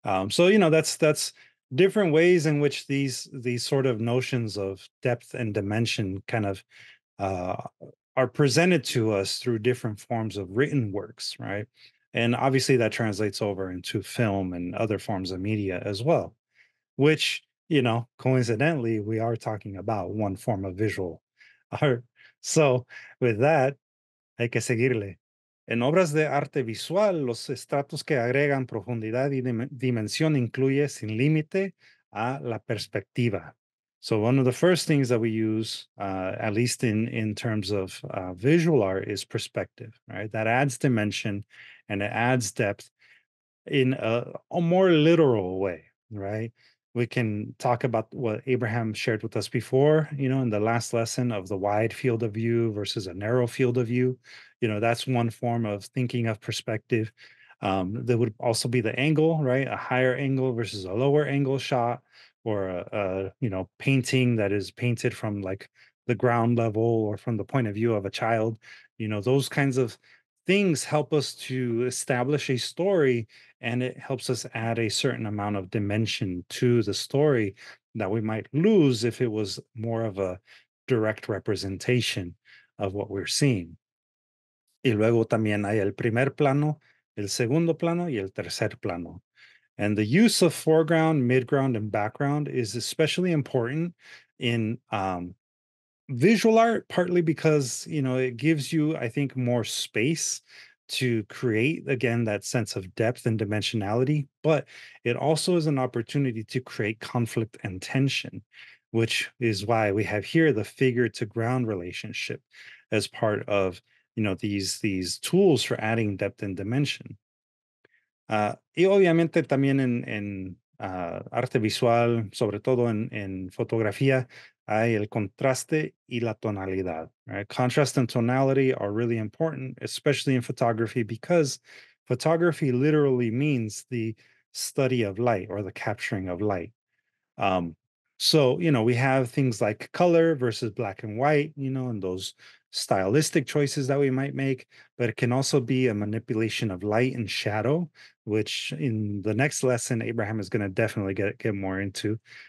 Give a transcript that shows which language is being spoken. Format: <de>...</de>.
<en>So, you know, that's different ways in which these sort of notions of depth and dimension kind of are presented to us through different forms of written works, right? And obviously that translates over into film and other forms of media as well, which, you know, coincidentally, we are talking about one form of visual art. So with that,</en> <es>hay que seguirle. En obras de arte visual, los estratos que agregan profundidad y dimensión incluye sin límite a la perspectiva.</es> <en>So one of the first things that we use, at least in terms of visual art, is perspective, right? That adds dimension and it adds depth in a more literal way, right? We can talk about what Abraham shared with us before, you know, in the last lesson of the wide field of view versus a narrow field of view. You know, that's one form of thinking of perspective. There would also be the angle, right? A higher angle versus a lower angle shot, or a you know, painting that is painted from like the ground level or from the point of view of a child. You know, those kinds of things help us to establish a story, and it helps us add a certain amount of dimension to the story that we might lose if it was more of a direct representation of what we're seeing.</en> <es>Y luego también hay el primer plano, el segundo plano y el tercer plano.</es> <en>And the use of foreground, midground, and background is especially important in visual art, partly because, you know, it gives you, I think, more space to create, again, that sense of depth and dimensionality. But it also is an opportunity to create conflict and tension, which is why we have here the figure to ground relationship as part of, you know, these tools for adding depth and dimension.</en> <es>Y obviamente también en arte visual, sobre todo en fotografía, hay el contraste y la tonalidad, right?</es> <en>Contrast and tonality are really important, especially in photography, because photography literally means the study of light or the capturing of light. So, you know, we have things like color versus black and white, you know, and those stylistic choices that we might make, but it can also be a manipulation of light and shadow, which in the next lesson, Abraham is going to definitely get more into.</en>